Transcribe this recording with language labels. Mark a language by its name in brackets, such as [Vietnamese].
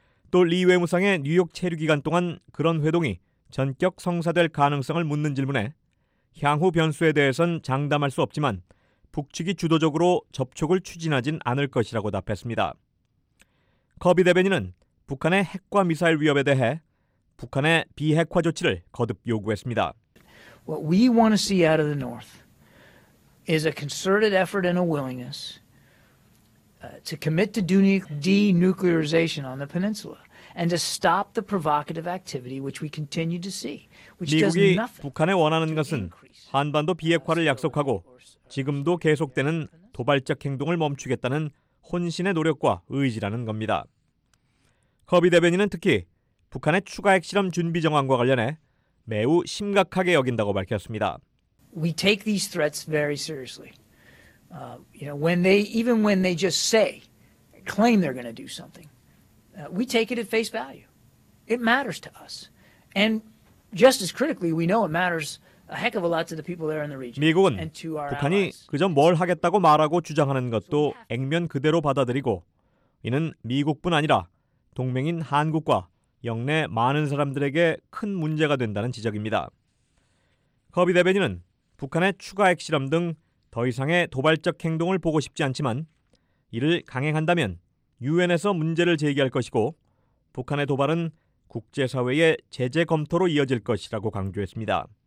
[Korean] 또 리 외무상의 뉴욕 체류 기간 동안 그런 회동이 전격 성사될 가능성을 묻는 질문에 향후 변수에 대해선 장담할 수 없지만 북측이 주도적으로 접촉을 추진하진 않을 것이라고 답했습니다. 커비 대변인은 북한의 핵과 미사일 위협에 대해 북한의 비핵화 조치를 거듭 요구했습니다. [English] What we want to see out of the North is a concerted effort and a willingness to commit to denuclearization on the peninsula and to stop the provocative activity which we continue to see. [Korean] 미국이 북한에 원하는 것은 한반도 비핵화를 약속하고 지금도 계속되는 도발적 행동을 멈추겠다는 혼신의 노력과 의지라는 겁니다. 커비 대변인은 특히 북한의 추가 핵실험 준비 정황과 관련해 매우 심각하게 여긴다고 밝혔습니다. [English] We take these threats very seriously. When they just say, claim they're going to do something, we take it at face value. It matters to us. And just as critically, we know it matters a heck of a lot to the people there in the region. [Korean] 미국은 북한이 그저 뭘 하겠다고 말하고 주장하는 것도 액면 그대로 받아들이고, 이는 미국뿐 아니라 동맹인 한국과 영내 많은 사람들에게 큰 문제가 된다는 지적입니다. 커비 대변인은 북한의 추가 핵실험 등 더 이상의 도발적 행동을 보고 싶지 않지만 이를 강행한다면 유엔에서 문제를 제기할 것이고 북한의 도발은 국제사회의 제재 검토로 이어질 것이라고 강조했습니다.